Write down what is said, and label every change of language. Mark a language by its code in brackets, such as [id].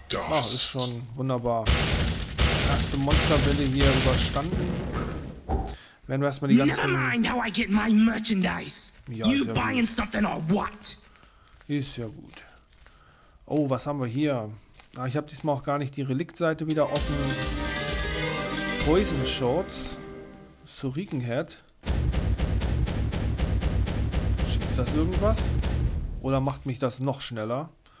[de] Ah, ist schon wunderbar. Erste Monsterwelle hier überstanden. Werden wir erstmal die ganzen... [en] Never mind how I get my merchandise. [de] Ja, [en] you buying something or what? [de] Ist ja gut. Oh, was haben wir hier? Ah, ich habe diesmal auch gar nicht die Reliktseite wieder offen. Poison Shorts. Suriken Head. Schießt das irgendwas? Oder macht mich das noch schneller?